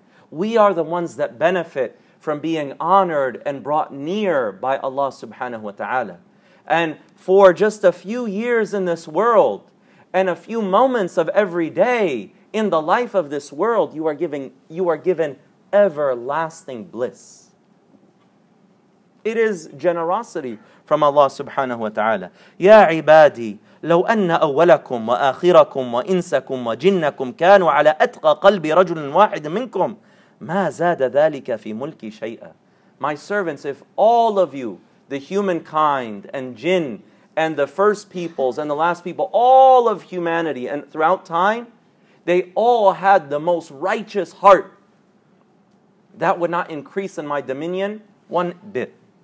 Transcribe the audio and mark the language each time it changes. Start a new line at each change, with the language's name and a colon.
English: We are the ones that benefit from being honored and brought near by Allah subhanahu wa ta'ala. And for just a few years in this world, and a few moments of every day in the life of this world, you are given everlasting bliss. It is generosity from Allah subhanahu wa ta'ala.
Arabic: Ya ibadi, لو أن أولكم وآخركم وإنسكم وجنكم كانوا على أتقى قلب رجل واحد منكم ما زاد ذلك في ملكي شيئا.
English: My servants, if all of you, the humankind and jinn and the first peoples and the last people, all of humanity and throughout time, they all had the most righteous heart, that would not increase in my dominion one bit.